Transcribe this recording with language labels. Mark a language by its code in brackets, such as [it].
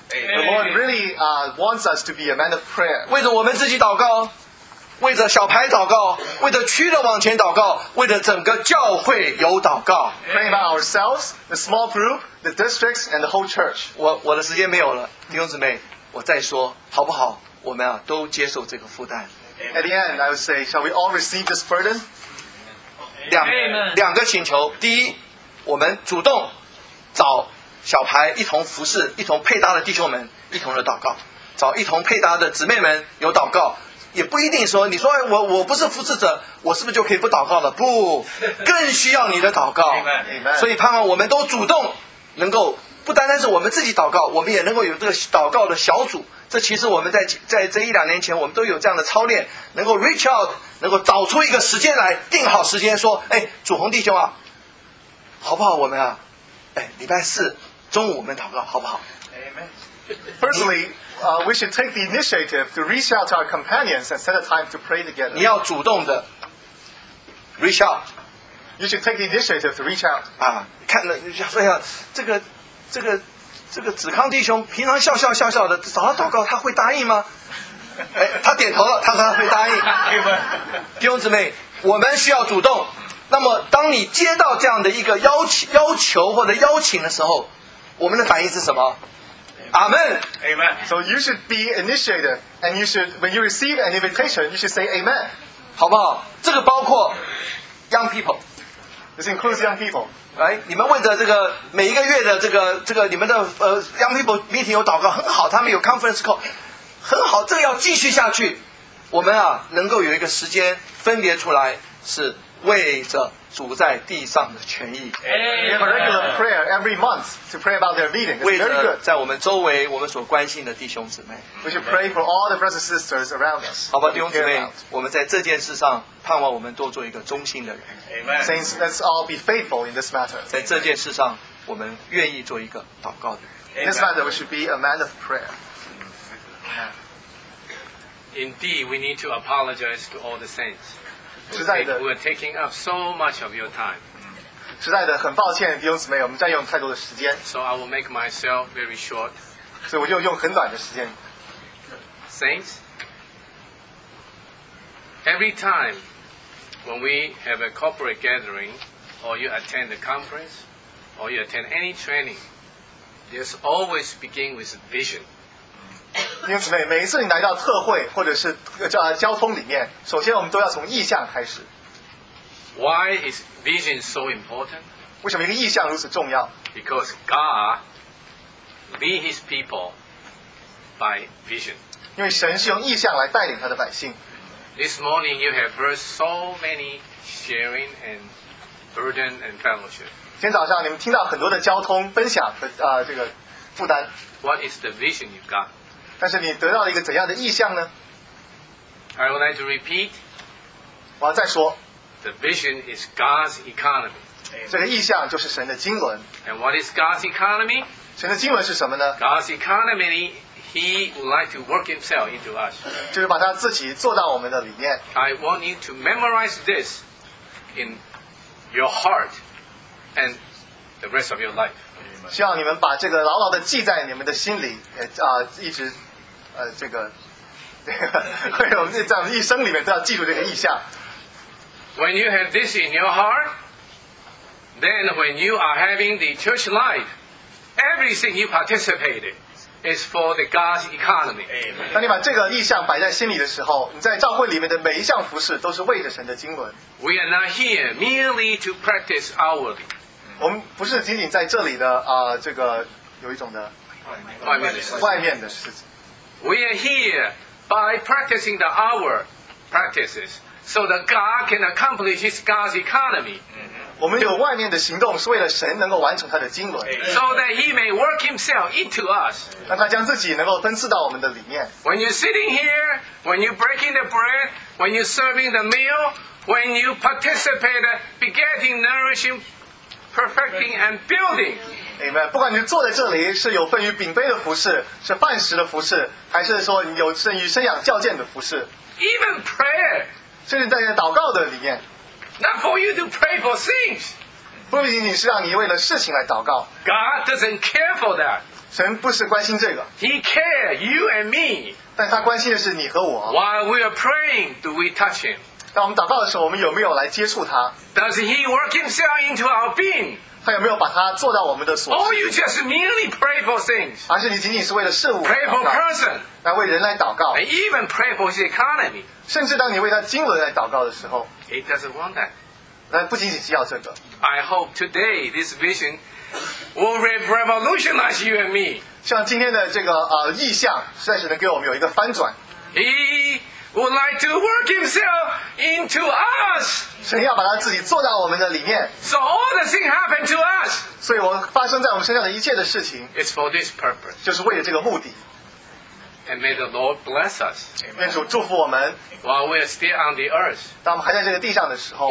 [en] The Lord really wants us to be a man of prayer. [zh] 为着我们自己祷告，为着小牌祷告，为着区的往前祷告，为着整个教会有祷告。 [en] Praying about ourselves, the small group, the districts, and the whole church. [zh] 我的时间没有了，弟兄姊妹，我再说好不好？我们啊，都接受这个负担。 [en] At the end, I would say, shall we all receive this burden? [zh] 两个请求，第一，我们主动找小牌一同服侍，一同配搭的弟兄们，一同的祷告，找一同配搭的姊妹们有祷告，也不一定说你说我不是服侍者，我是不是就可以不祷告了？不，更需要你的祷告。所以盼望我们都主动能够，不单单是我们自己祷告，我们也能够有这个祷告的小组。这其实我们在这一两年前，我们都有这样的操练，能够 reach out， 能够找出一个时间来，定好时间说，哎，主红弟兄啊，好不好？我们啊。礼拜四中午我们祷告好不好？ [en] Amen. Firstly, we should take the initiative to reach out to our companions and set a time to pray together. [zh] 你要主动的 reach out. [en] You should take the initiative to reach out. [zh] 啊，看了，哎呀，这个子康弟兄平常笑笑笑笑的，找他祷告他会答应吗？哎，他点头了，他说他会答应。弟兄姊妹，我们需要主动。那么当你接到这样的一个要求或者邀请的时候，我们的反应是什么？ [en] Amen. Amen. So you should be initiated, and you should, when you receive an invitation, you should say Amen. [zh] 好不好？这个包括 [en] young people. This includes young people. Right? [zh] 你们问的这个每一个月的这个你们的young people meeting 有祷告很好，他们有 conference call 很好，这个要继续下去。我们啊，能够有一个时间分别出来，是为着主在地上的权益。 [en] Hey, we have a regular prayer every month to pray about their meeting. Very good. [zh] 在我们周围，我们所关心的弟兄姊妹。 [en] We should pray for all the brothers and sisters around us. [zh] 好吧，弟兄姊妹，我们在这件事上盼望我们多做一个忠心的人。 [en] Amen. Saints, let's all be faithful in this matter. [zh] 在这件事上，我们愿意做一个祷告的人。 [en] In this matter, we should be a man of prayer. Indeed, we need to apologize to all the saints. [zh] 实在的 [en] We're taking up so much of your time. [zh] 实在的很抱歉弟兄姊妹我们占用太多的时间 [en] So I will make myself very short. [zh] 所以我就用很短的时间 [en] Saints, every time when we have a corporate gathering or you attend a conference or you attend any training, there's always begin with vision. [zh] 弟兄姊妹，每一次你来到特会或者是交通里面，首先我们都要从意向开始。 [en] Why is vision so important? [zh] 为什么一个意向如此重要 [en] ？Because God leads His people by vision. [zh] 因为神是用意向来带领他的百姓。 [en] This morning you have heard so many sharing and burden and fellowship. [zh] 今天早上你们听到很多的交通分享和这个负担。 [en] What is the vision you've got? [zh] 但是你得到了一个怎样的意向呢 [en] ？I would like to repeat. [zh] 我要再说。 [en] The vision is God's economy. [zh] 这个意向就是神的经纶。 [en] And what is God's economy? [zh] 神的经纶是什么呢 [en] ？God's economy, He would like to work Himself into us. [zh] 就是把他自己做到我们的里面。 [en] I want you to memorize this in your heart and the rest of your life. [zh] 希望你们把这个牢牢地记在你们的心里，一直，这个，会有在我们一生里面都要记住这个意象。 [en] When you have this in your heart, then when you are having the church life, everything you participate in is for the God's economy. [zh] 当你把这个意象摆在心里的时候，你在教会里面的每一项服事都是为着神的经纶。 [en] We are not here merely to practice outwardly. [zh] 我们不是仅仅在这里的这个有一种的外面的事情。 [en] We are here by practicing the our practices so that God can accomplish His God's economy. [zh] 我们有外面的行动是为了神能够完成他的经纶。 [en] So that He may work Himself into us. [zh] 让他将自己能够分赐到我们的里面。 [en] When you're sitting here, when you're breaking the bread, when you're serving the meal, when you participate in getting nourishing. Perfecting and building. Amen. [zh] 不管你坐在这里是有份于饼杯的服事，是饭食的服事，还是说你有份于生养教诫的服事。 [en] Even prayer. [zh] 甚至在祷告的里面。 [en] Not for you to pray for things. [zh] 不仅仅是让你为了事情来祷告。 [en] God doesn't care for that. [zh] 神不是关心这个。 [en] He cares you and me. [zh] 但他关心的是你和我。 [en] While we are praying, do we touch him? [zh] 当我们祷告的时候，我们有没有来接触他 [en] ？Does he work himself into our being？ [zh] 他有没有把他做到我们的所 [en] 需 ？Oh, you just merely pray for things。 [zh] 而是你仅仅是为了事物 [en] ，pray for person， [zh] 来为人来祷告 [en] ，and even pray for the economy。 [zh] 甚至当你为他经纶来祷告的时候 [en] ，he doesn't want that。 [zh] 那不仅仅是要这个。 [en] I hope today this vision will revolutionize you and me。 [zh] 像今天的这个意象，实在是能给我们有一个翻转。 [en] He would like to work himself into us. [zh] 神要把他自己做到我们的里面。 [en] So all the things happen to us. [zh] 所以我发生在我们身上的一切的事情。 [en] It's for this purpose. [zh] 就是为了这个目的。 [en] And may the Lord bless us. [zh] 愿主祝福我们。 [en] While we are still on the earth. [zh] 当我们还在这个地上的时候。